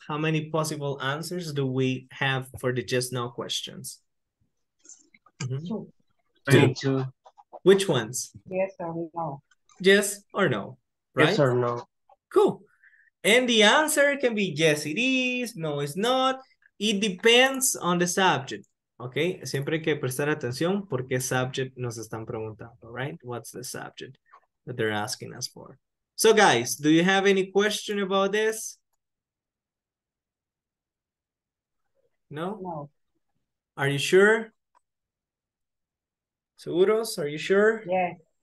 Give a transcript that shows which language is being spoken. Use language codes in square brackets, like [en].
[en] How many possible answers do we have for the just no questions? Mm-hmm. Two. Which ones? Yes or no. Yes or no, right? Yes or no. Cool. And the answer can be yes, it is, no, it's not. It depends on the subject, okay? [es] Siempre hay que prestar atención por qué subject nos están preguntando, [en] right? What's the subject that they're asking us for? So guys, do you have any question about this? No? No. Are you sure? [es] Seguros, [en] are you sure? Yes.